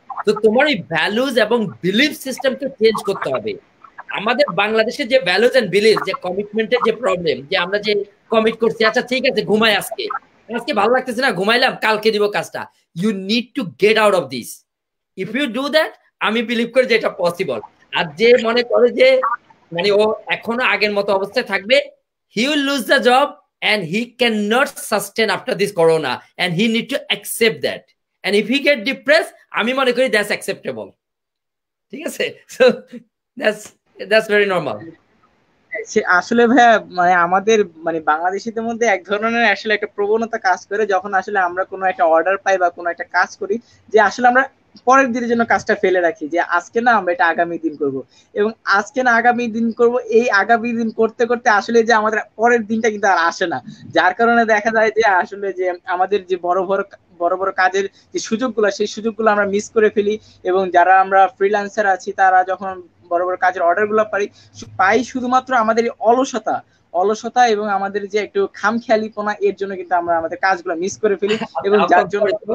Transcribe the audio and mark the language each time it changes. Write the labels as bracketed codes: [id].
[bn] তো তোমার এই ভ্যালুজ এবং বিলিফ সিস্টেমকে চেঞ্জ করতে হবে। আমাদের বাংলাদেশে যে ভ্যালুজ এন্ড বিলিফ, যে কমিটমেন্টের যে প্রবলেম, যে আমরা যে কমিট করছি, আচ্ছা ঠিক আছে ঘুমাই আজকে, আজকে ভালো লাগতেছে না ঘুমাইলাম কালকে দিব কাজটা, [en] You need to get out of this. If you do that, [bn] আমি বিলিভ করি যে এটা পসিবল। আর যে মনে করে যে মানে ও এখনো আগের মতো অবস্থায় থাকবে, [en] he will lose the job and he cannot sustain after this corona, and he need to accept that, and if he get depressed, [bn] ami mone kori [en] that's acceptable, [bn] thik ache, [en] so that's very normal. [bn] আসলে ভাইয়া মানে আমাদের মানে বাংলাদেশিদের মধ্যে এক ধরনের আসলে একটা প্রবণতা কাজ করে, যখন আসলে আমরা কোনো একটা অর্ডার পাই বা কোনো একটা কাজ করি, যে আসলে আমরা পরের দিনের জন্য কাজটা ফেলে রাখি, যে আজকে না আমরা এটা আগামী দিন করব, এবং আজকে না আগামী দিন করব, এই আগামী দিন করতে করতে আসলে যে আমাদের পরের দিনটা কিন্তু আর আসে না, যার কারণে দেখা যায় যে আসলে যে আমাদের যে বড় বড় বড় বড় কাজের যে সুযোগগুলো সেই সুযোগগুলো আমরা মিস করে ফেলি, এবং যারা আমরা ফ্রিল্যান্সার আছি তারা যখন বড় বড় কাজের অর্ডার গুলো পাই শুধুমাত্র আমাদের অলসতা অলসতা এবং আমাদের যে একটু খামখেয়ালিপনা, এর জন্য কিন্তু আমরা আমাদের কাজগুলো মিস করে ফেলি, এবং যার জন্য